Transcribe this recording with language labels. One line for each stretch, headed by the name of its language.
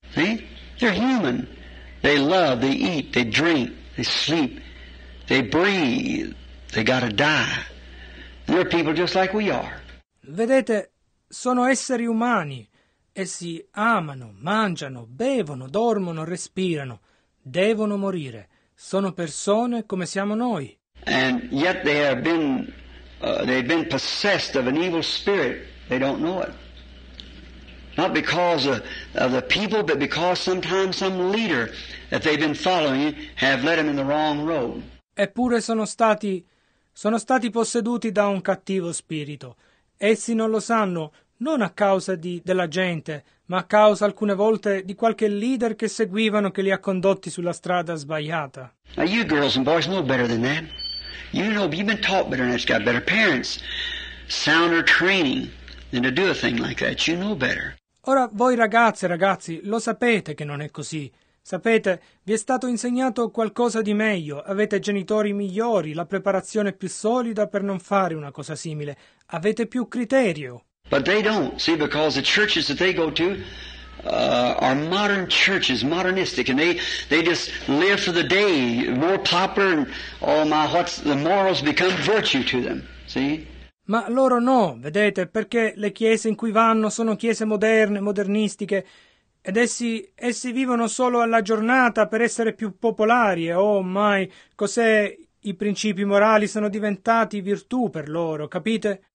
English: See? They're human. They love, they eat, they drink, they sleep, they breathe. They gotta die. They're people just like we are.
Italian: Vedete, sono esseri umani. Essi amano, mangiano, bevono, dormono, respirano. Devono morire. Sono persone come siamo noi.
English: And yet they've been possessed of an evil spirit. They don't know it. Not because of the people, but because sometimes some leader that they've been following have led them in the wrong road.
Italian: Eppure sono stati posseduti da un cattivo spirito. Essi non lo sanno, non a causa della gente, ma a causa alcune volte di qualche leader che seguivano che li ha condotti sulla strada sbagliata.
English: Now you girls and boys know better than that. You know, you've been taught better than that. You've got better parents, sounder training than to do a thing like that. You know better.
Italian: Ora, voi ragazze e ragazzi, lo sapete che non è così. Sapete, vi è stato insegnato qualcosa di meglio, avete genitori migliori, la preparazione più solida per non fare una cosa simile, avete più criterio.
English: But they don't, see, because the churches that they go to are modern churches, modernistic, and they just live for the day, more popular, and oh my, what's the morals become virtue to them, see?
Italian: Ma loro no, vedete, perché le chiese in cui vanno sono chiese moderne, modernistiche, ed essi vivono solo alla giornata per essere più popolari, e oh mai, cos'è, i principi morali sono diventati virtù per loro, capite?